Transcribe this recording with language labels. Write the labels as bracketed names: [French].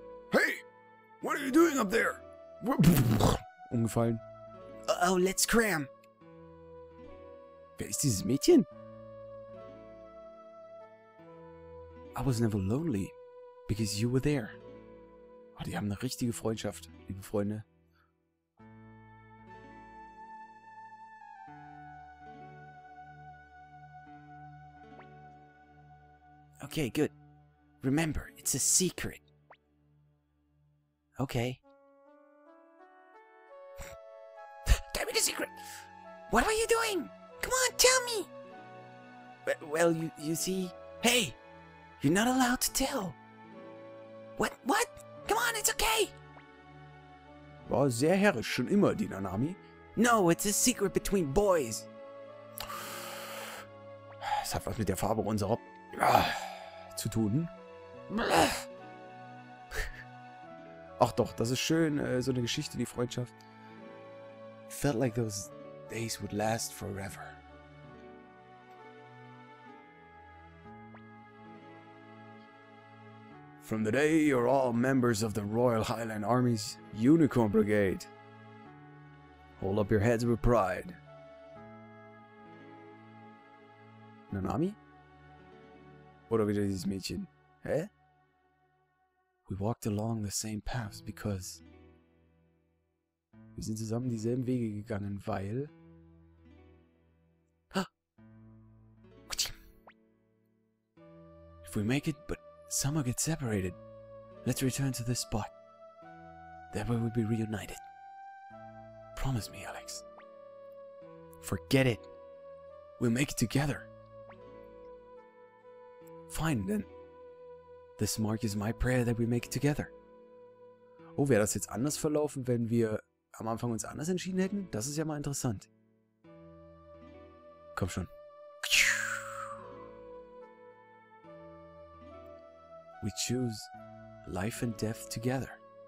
[English] Hey! What are you doing up there? [German] Umgefallen. [English] Oh, let's cram! [German] Wer ist dieses Mädchen? [English] I was never lonely, because you were there. [German] Oh, die haben eine richtige Freundschaft, liebe Freunde. [English] Okay, good. Remember, it's a secret. Okay. Tell me the secret! What were you doing? Come on, tell me! Well, you see... Hey! You're not allowed to tell. What? What? Come on, it's okay! [German] War sehr herrisch, schon immer, die Nanami. [English] No, it's a secret between boys. [German] Es hat was mit der Farbe unserer... zu tun. Ach doch, das ist schön, so eine Geschichte, die Freundschaft. [English] It felt like those days would last forever. From the day you're all members of the Royal Highland Army's Unicorn Brigade. Hold up your heads with pride. [German] Nanami? Oder wieder dieses Mädchen. Hä? [English] We walked along the same paths because... [German] Wir sind zusammen dieselben Wege gegangen, weil... [English] If we make it, but Summer gets separated. Let's return to this spot. That way we'll be reunited. Promise me, Alex. Forget it. We'll make it together. Fine, then. This mark is my prayer that we make it together. [German] Oh, wäre das jetzt anders verlaufen, wenn wir am Anfang uns anders entschieden hätten? Das ist ja mal interessant. Komm schon. [English] We choose life and death together.